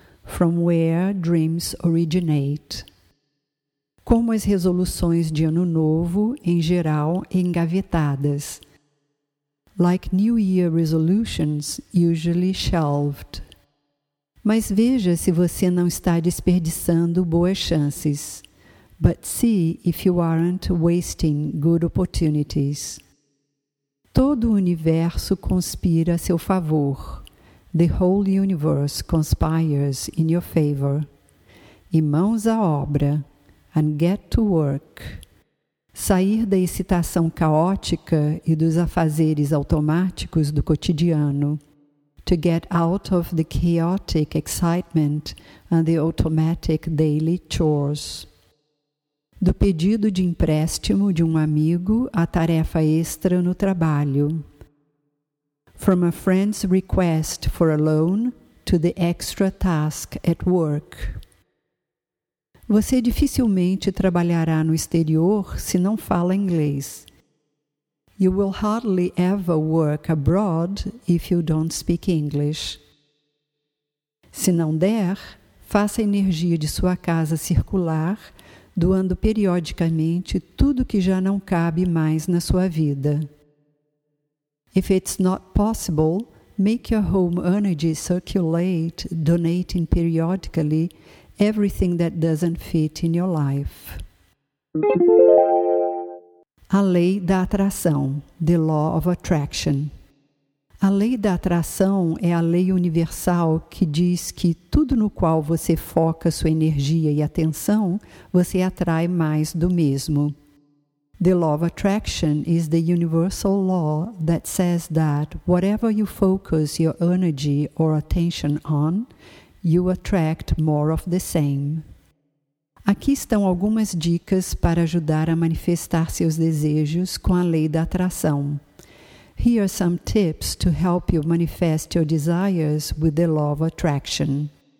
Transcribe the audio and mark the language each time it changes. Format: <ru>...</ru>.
<en>From where dreams originate.</en> <pt>Como as resoluções de ano novo, em geral, engavetadas.</pt> <en>Like New Year resolutions, usually shelved.</en> <pt>Mas veja se você não está desperdiçando boas chances.</pt> <en>But see if you aren't wasting good opportunities.</en> <pt>Todo o universo conspira a seu favor.</pt> <en>The whole universe conspires in your favor.</en> <pt>E mãos à obra.</pt> <en>And get to work.</en> <pt>Sair da excitação caótica e dos afazeres automáticos do cotidiano.</pt> <en>To get out of the chaotic excitement and the automatic daily chores.</en> <pt>Do pedido de empréstimo de um amigo à tarefa extra no trabalho.</pt> <en>From a friend's request for a loan to the extra task at work.</en> <pt>Você dificilmente trabalhará no exterior se não fala inglês.</pt> <en>You will hardly ever work abroad if you don't speak English.</en> <pt>Se não der, faça a energia de sua casa circular, doando periodicamente tudo que já não cabe mais na sua vida.</pt> <en>If it's not possible, make your home energy circulate, donating periodically everything that doesn't fit in your life.</en> <pt>A lei da atração,</pt> <en>the law of attraction.</en> <pt>A lei da atração é a lei universal que diz que tudo no qual você foca sua energia e atenção, você atrai mais do mesmo.</pt> <en>The law of attraction is the universal law that says that whatever you focus your energy or attention on, you attract more of the same.</en> <pt>Aqui estão algumas dicas para ajudar a manifestar seus desejos com a lei da atração.</pt> <en>Here are some tips to help you manifest your desires with the law of attraction.</en>